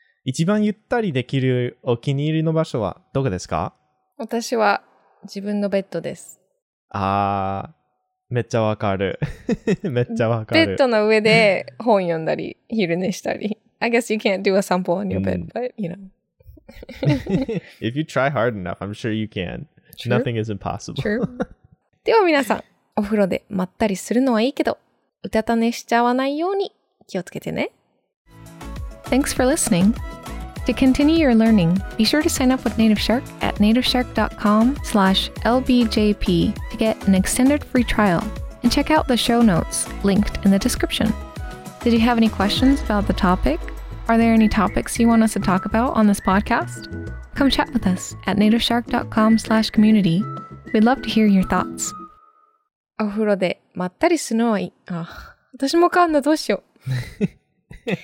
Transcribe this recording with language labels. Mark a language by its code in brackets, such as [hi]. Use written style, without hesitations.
[ja] 一番ゆったりできるお気に入りの場所はどこですか? 私は自分のベッドです。あー、めっちゃわかる。めっちゃわかる。ベッドの上で本読んだり、昼寝したり。 [en] I guess you can't do a sample on your bed, but you know. If you try hard enough, I'm sure you can. True? Nothing is impossible. True. [ja] では皆さん、お風呂でまったりするのはいいけど、うたた寝しちゃわないように気をつけてね。 [en] Thanks for listening. To continue your learning, be sure to sign up with Native Shark at nativeshark.com/LBJP to get an extended free trial and check out the show notes linked in the description. Did you have any questions about the topic? Are there any topics you want us to talk about on this podcast? Come chat with us at nativeshark.com/community. We'd love to hear your thoughts. [ja] お風呂でまったりするのはいい。あ、私もかんだ。どうしよう。